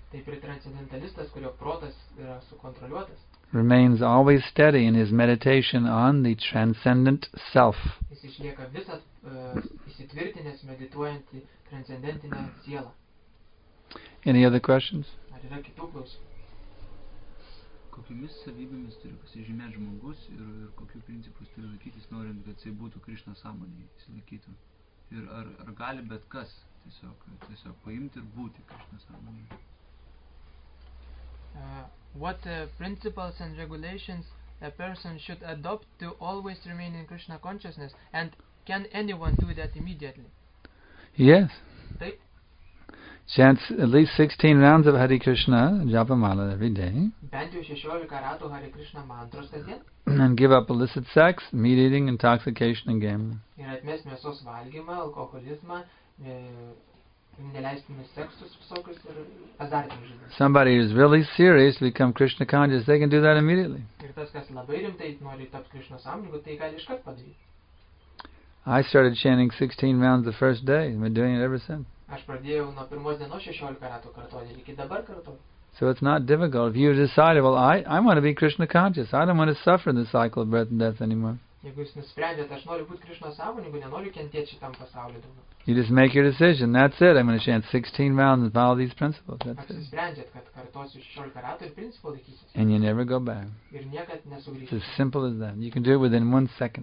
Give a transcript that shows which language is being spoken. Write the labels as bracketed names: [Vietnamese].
[Lithuanian] taip ir transcendentalistas, kurio protas yra sukontroliuotas, [English] remains always steady in his meditation on the transcendent self. [Lithuanian] Jis išlieka visat įsitvirtinęs medituojantį transcendentinę sielą. [English] Any other questions? [Lithuanian] Ar yra kitų klausimų? Kokiomis savybėmis turi pasižymėti žmogus ir kokių principus turi laikytis, norint, kad jis būtų Krishna sąmonėje įsilaikytų? Ir ar gali bet kas tiesiog paimti ir būti Krishna sąmonėje? [English] What principles and regulations a person should adopt to always remain in Krishna consciousness, and can anyone do that immediately? Yes. [Lithuanian] Taip. [English] Chant at least 16 rounds of Hare Krishna Japa Mala every day. [Lithuanian] Bent jau 16 ratų Hare Krishna mantros kasdien. [English] And give up illicit sex, meat eating, intoxication and gambling. [Lithuanian] Ir atmest mėsos valgymą, alkoholizmą, neleistinus seksus visokius ir azartinius žaidimus. [English] Somebody who is really serious to become Krishna conscious, they can do that immediately. [Lithuanian] Ir tas, kas labai rimtai nori tapti Krishna sąmoningu, tai gali iškart padaryti. [English] I started chanting 16 rounds the first day. I've been doing it ever since. [Lithuanian] Aš pradėjau nuo pirmos dienos 16 ratų kartuoti, iki dabar kartuoti. [English] So it's not difficult. If you decide, well, I want to be Krishna conscious. I don't want to suffer in the cycle of birth and death anymore. [Lithuanian] Jeigu jūs nusprendėt, aš noriu būti Krishna sąmoningu, nenoriu kentėti šitam pasaulyje daugiau. [English] You just make your decision. That's it. I'm going to chant 16 rounds and follow these principles. That's it. [Lithuanian] Apsisprendžiat, kad kartuosiu 16 ratų ir principų laikysiu. [English] And you never go back. [Lithuanian] Ir niekad nesugrįšiu. [English] It's as simple as that. You can do it within one second.